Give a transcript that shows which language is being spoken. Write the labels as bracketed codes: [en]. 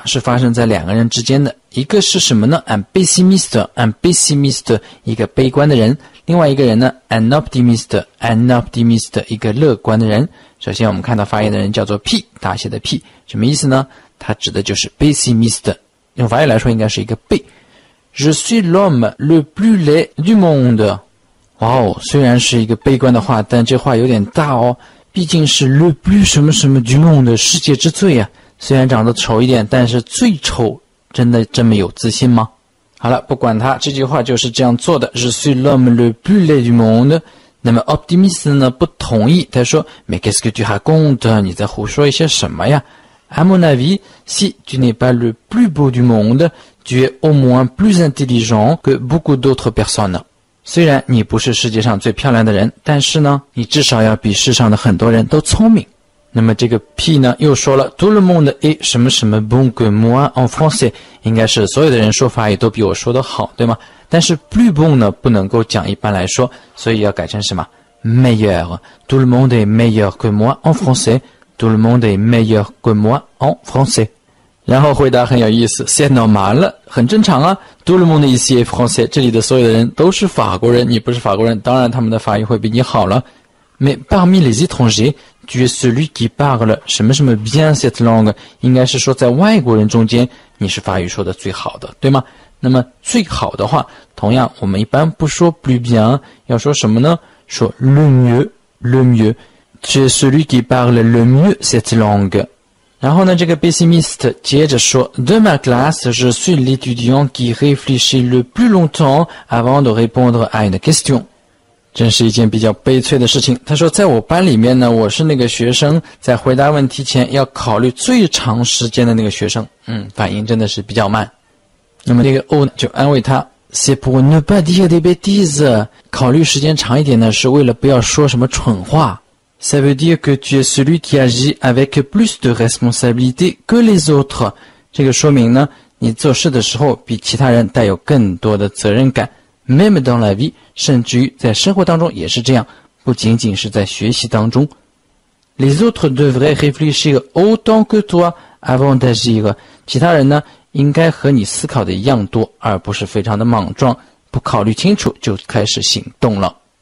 [zh] 好,题目看过了以后呢,接下来我们一起来做题。对话是发生在两个人之间的,一个是什么呢? [fr] Un pessimiste, un pessimiste, [zh] 一个悲观的人,另外一个人呢? [fr] Un optimiste, un optimiste, [zh] 一个乐观的人。首先我们看到发言的人叫做P, 大写的P, 什么意思呢? 他指的就是 pessimiste, 用法语来说应该是一个悲。 [fr] Je suis l'homme le plus laid du monde. [zh] 哇哦,虽然是一个悲观的话, 但这话有点大哦。毕竟是 le plus 什么什么 du monde 世界之最啊, 虽然长得丑一点, 但是最丑, 真的这么有自信吗? 好了, 不管他, 这句话就是这样做的, [fr] je suis l'homme le plus laid du monde, [zh] 那么 optimiste 呢, 不同意, 他说, [fr] mais qu'est-ce que tu racontes, [zh] 你在胡说一些什么呀? [fr] À mon avis, si tu n'es pas le plus beau du monde, tu es au moins plus intelligent que beaucoup d'autres personnes. [zh] 虽然你不是世界上最漂亮的人, 但是呢, 你至少要比世上的很多人都聪明。那么这个P呢, 又说了, [fr] tout le monde est [zh] 什么什么 [fr] bon que moi en français, [zh] 应该是所有的人说法语都比我说得好, 对吗? 但是 plus bon呢, 不能够讲一般来说, 所以要改成什么? [fr] Meilleur, tout le monde est meilleur que moi en français, tout le monde est meilleur que moi en français. [zh] 然后回答很有意思, [fr] c'est normal, [zh] 很正常啊, [fr] tout le monde ici est français, [zh] 这里的所有的人都是法国人, 你不是法国人, 当然他们的法语会比你好了, [fr] mais parmi les étrangers, tu es celui qui parle [zh] 什么什么 [fr] bien cette langue, [zh] 应该是说在外国人中间, 你是法语说的最好的, 对吗? 那么最好的话, 同样我们一般不说 plus bien, 要说什么呢? [fr] 说 le mieux, le mieux, tu es celui qui parle le mieux cette langue, [zh] 然后呢, 这个 [fr] pessimiste [zh] 接着说, [fr] De ma classe, je suis l'étudiant qui réfléchit le plus longtemps avant de répondre à une question. [zh] 真是一件比较悲催的事情。他说, 在我班里面呢, 我是那个学生, 在回答问题前要考虑最长时间的那个学生, 反应真的是比较慢。那么那个O就安慰他, [fr] C'est pour ne pas dire des bêtises, [zh] 考虑时间长一点呢, 是为了不要说什么蠢话。 [fr] Ça veut dire que tu es celui qui agit avec plus de responsabilité que les autres. [zh] 这个说明呢, 你做事的时候比其他人带有更多的责任感, [fr] même dans la vie, [zh] 甚至于在生活当中也是这样, 不仅仅是在学习当中。 [fr] Les autres devraient réfléchir autant que toi avant d'agir. [zh] 其他人呢, 应该和你思考的一样多, 而不是非常的莽撞, 不考虑清楚就开始行动了。